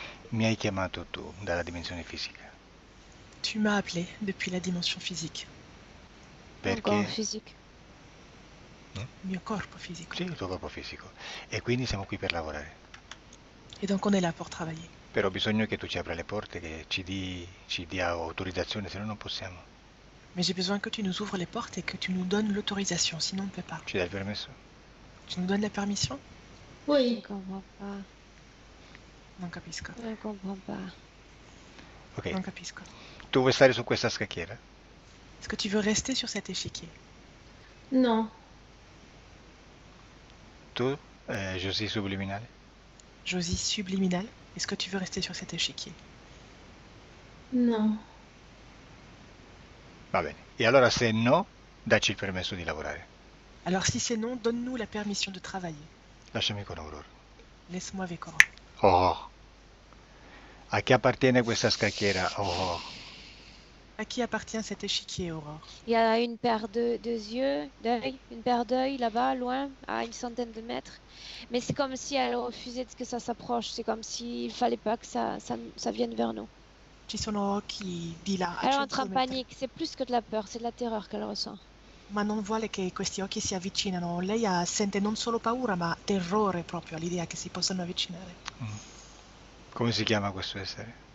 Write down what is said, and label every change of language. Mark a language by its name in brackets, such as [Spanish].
[Italian] Mi hai chiamato tu dalla dimensione fisica. Perché? [French] Tu m'as appelé depuis la dimension physique. Mon corps physique. [Italian] Mio corpo Sì, fisico. il tuo corpo fisico. E quindi siamo qui per lavorare. [French] Et donc on est là pour travailler. [Italian] Però ho bisogno che tu ci apra le porte, che ci dia autorizzazione, se no non possiamo. [French] Mais j'ai besoin que tu nous ouvres les portes et que tu nous donnes l'autorisation, sinon on ne peut pas. [Italian] Ci dai il permesso? [French] Tu nous donnes la permission? Oui. Je ne comprends pas. [Italian] Non capisco. [French] Je ne comprends pas. Ok. [Italian] Non capisco. [French] Est-ce [Italian] Tu vuoi stare su questa scacchiera? [French] que tu veux rester sur cet échiquier? Non. [Italian] Tu, José Subliminale? [French] Josie subliminale, est-ce que tu veux rester sur cet échiquier? Non. [Italian] Va bene. E allora se no, dacci il permesso di lavorare. [French] Alors si c'est non, donne-nous la permission de travailler. [Italian] Lasciami con Aurora. [French] Laisse-moi avec Aurore. Oh. [Italian] A chi appartiene questa scacchiera? Oh. [French] À qui appartient cet échiquier, Aurore? Il y a une paire une paire d'œil là-bas, loin, à une centaine de mètres. Mais c'est comme si elle refusait que ça s'approche. C'est comme s'il fallait pas que ça vienne vers nous. [Italian] Ci sono occhi di là, à [French] Elle rentre en [Italian] 5 km. [French] panique. C'est plus que de la peur, c'est de la terreur qu'elle ressent. [Italian] Ma non vuole che questi occhi si avvicinano. Lei sente non solo paura, ma terrore proprio all'idea che si possano avvicinare. Come si chiama questo essere?